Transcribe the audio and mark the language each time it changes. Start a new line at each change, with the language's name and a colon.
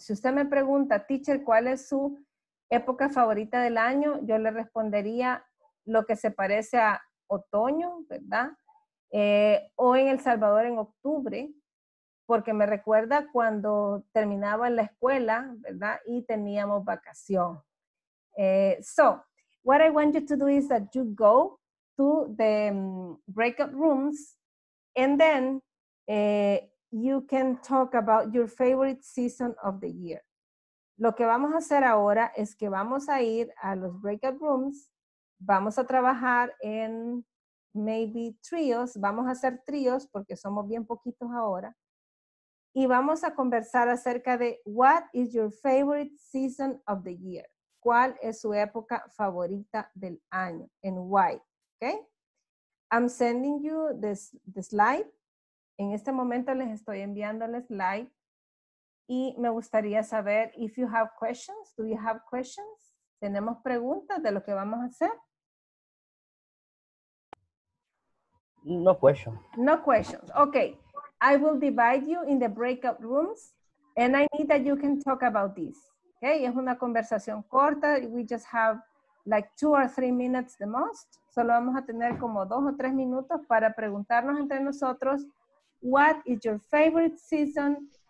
Spanish: Si usted me pregunta, teacher, ¿cuál es su época favorita del año? Yo le respondería lo que se parece a otoño, ¿verdad? O en El Salvador en octubre, porque me recuerda cuando terminaba la escuela, ¿verdad? Y teníamos vacación.
English: So, what I want you to do is that you go to the breakout rooms, and then you can talk about your favorite season of the year.
Spanish: Lo que vamos a hacer ahora es que vamos a ir a los breakout rooms, vamos a trabajar en
English: maybe
Spanish: tríos, vamos a hacer tríos porque somos bien poquitos ahora, y vamos a conversar acerca de
English: what is your favorite season of the year,
Spanish: cuál es su época favorita del año,
English: and why. Okay, I'm sending you the slide.
Spanish: En este momento les estoy enviando el slide. Y me gustaría saber
English: if you have questions. Do you have questions?
Spanish: ¿Tenemos preguntas de lo que vamos a hacer?
English: No questions. No questions. Okay, I will divide you in the breakout rooms. And I need that you can talk about this. Okay,
Spanish: es una conversación corta.
English: We just have like 2 or 3 minutes the most.
Spanish: Solo vamos a tener como 2 o 3 minutos para preguntarnos entre nosotros,
English: what is your favorite season?